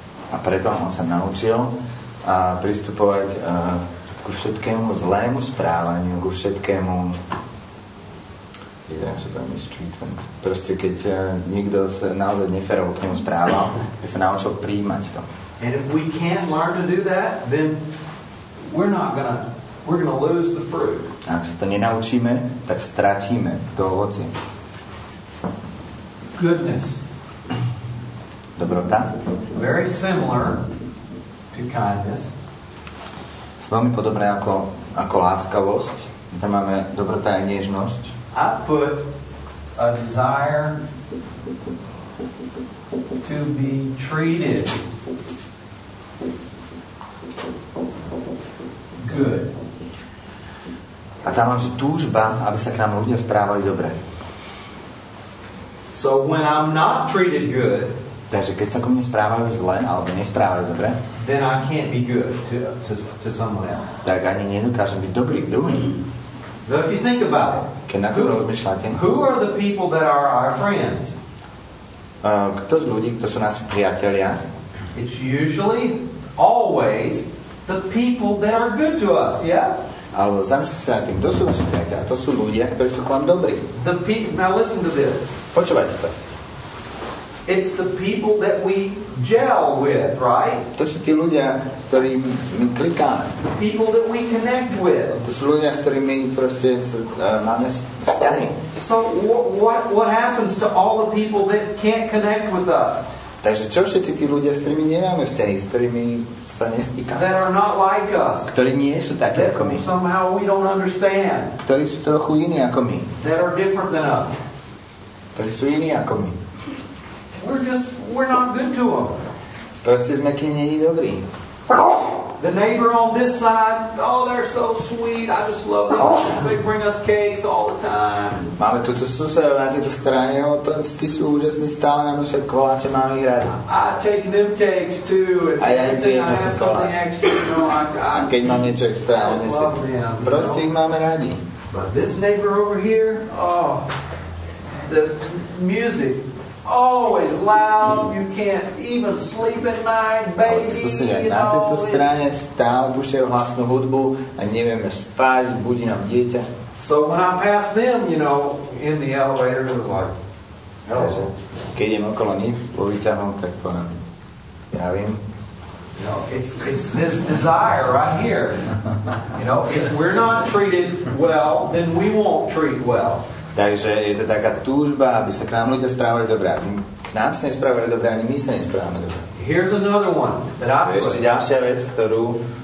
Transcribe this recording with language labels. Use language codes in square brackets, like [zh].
[sk] A preto on sa naučil pristupovať ku všetkému zlému správaniu, ku všetkému idem sa tam mistreatment. Proste keď niekto sa naozaj neférovo k nemu správal, keď sa naučil prijímať to. [en] And if we can't learn to do that, then we're gonna lose the fruit. [sk] A ak sa to nenaučíme, tak stratíme to ovocie. [en] Goodness. [sk] Dobrota. [en] Very similar to kindness. [sk] Veľmi podobné ako láskavosť. Tam máme dobrota a nežnosť. [en] I put a desire to be treated good. [sk] stretávam, že túžba, aby sa k nám ľudia správali dobre. [en] So when I'm not treated good, [sk] takže keď sa ku mne správajú zle alebo nesprávajú dobre, [en] then I can't be good to someone else. [sk] Tak ani nedokážem byť dobrý k druhým. [en] But if you think about it, [sk] keď na to rozmýšľate, [en] who are the people that are our friends? [sk] Kto z ľudí, kto sú nás priatelia? [en] It's usually always the people that are good to us, yeah? [sk] Ale zamyslite sa nad tým, kto sú naši priatelia? To sú ľudia, ktorí sú k vám dobrí. [en] Now listen to this. [sk] Počúvajte to. [en] It's the people that we gel with, right? [sk] To sú tí ľudia, s ktorými my klikáme. [en] People that we connect with. [sk] To sú ľudia, s ktorými proste máme vzťahy. [en] So what happens to all the people that can't connect with us? [sk] Takže čo všetci tí ľudia, s ktorými nemáme vzťahy, s ktorými sa nestýkame? [en] That are not like us. [sk] Ktorí nie sú takí [en] that [sk] ako my. [en] Somehow we don't understand. [sk] Ktorí sú trochu iní ako my. [en] That are different than us. [sk] Ktorí sú iní ako my. [en] We're not good to them. [sk] Proste sme k nim nie dobrí. [en] The neighbor on this side, oh, they're so sweet, I just love them. They bring us cakes all the time. [sk] Máme túto susedov na tejto strane, tí sú úžasní, stále nám nosia koláče, máme ich rady. [en] I take them cakes too. [sk] A ja im tiež nosím koláče. A keď mám niečo extra, proste ich máme rady. [en] But this neighbor over here, oh, the music, always loud, you can't even sleep at night, baby. [sk] Ale susedia, na tejto strane stále púšťajú hlasnú hudbu a nevieme spať, budí nám dieťa. [en] So when I pass them, you know, in the elevator, it was like, hello. [sk] Takže, keď idem okolo nich, vo výťahu, tak poviem, ja viem. [en] You know, it's this desire right here. You know, if we're not treated well, then we won't treat well. [sk] Takže je to taká túžba, aby sa k nám ľudia správali dobre. Ani k nám sa nesprávali dobre, ani my sa nesprávame dobre. [en] Here's another one that I've [sk] ešte ďalšia vec, ktorú